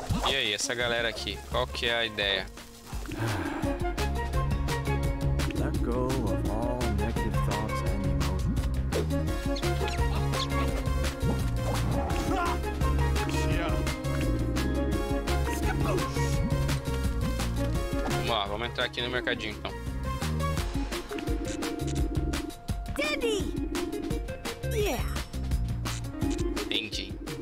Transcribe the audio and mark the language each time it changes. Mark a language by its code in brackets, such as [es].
[pt] E aí, essa galera aqui, qual que é a ideia? [en] Let go of all negative thoughts and emotions. [pt] Vamos lá, vamos entrar aqui no mercadinho então. [en] Daddy! Yeah! [pt] Entendi.